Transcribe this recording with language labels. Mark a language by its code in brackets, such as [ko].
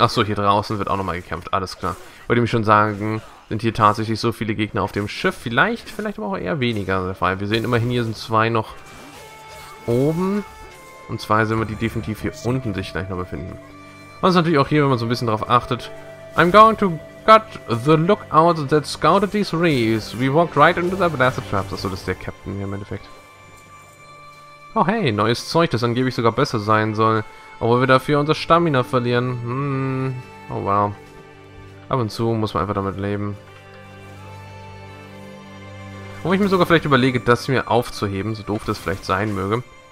[de] Achso, hier draußen wird auch nochmal gekämpft. Alles klar. Wollte mich schon sagen, sind hier tatsächlich so viele Gegner auf dem Schiff. Vielleicht aber auch eher weniger der Fall. Wir sehen immerhin, hier sind zwei noch oben. Und zwei sind wir, die definitiv hier unten sich gleich noch befinden. Was ist natürlich auch hier, wenn man so ein bisschen darauf achtet. [en] I'm going to gut the lookout that scouted these reefs. We walked right into the blasted traps. [de] Achso, das ist der Captain hier im Endeffekt. Oh hey, neues Zeug, das angeblich sogar besser sein soll. Obwohl wir dafür unser Stamina verlieren. Oh wow. Ab und zu muss man einfach damit leben. Wo ich mir sogar vielleicht überlege, das mir aufzuheben, so doof das vielleicht sein möge.